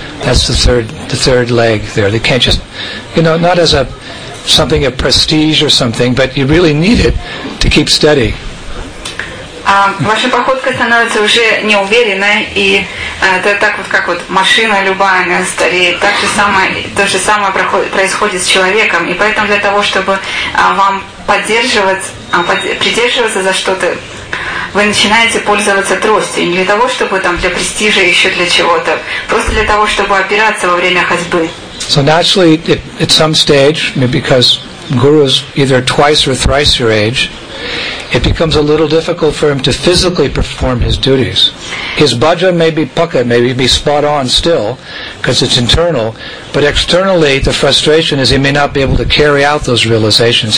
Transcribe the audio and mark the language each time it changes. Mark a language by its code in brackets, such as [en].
[en] That's the third leg there. They can't just, you know, not as a something of prestige or something, but you really need it to keep steady. [ru] Ваша походка становится уже неуверенной, и это так вот, как вот машина любая, она стареет. То же самое происходит с человеком. И поэтому для того, чтобы вам придерживаться за что-то, вы начинаете пользоваться тростью. Не для того, чтобы там для престижа, еще для чего-то. Просто для того, чтобы опираться во время ходьбы. [en] So naturally, at some stage, maybe because guru is either twice or thrice your age, it becomes a little difficult for him to physically perform his duties. His bhajan may be pukka, maybe be spot on still, because it's internal, but externally the frustration is he may not be able to carry out those realizations.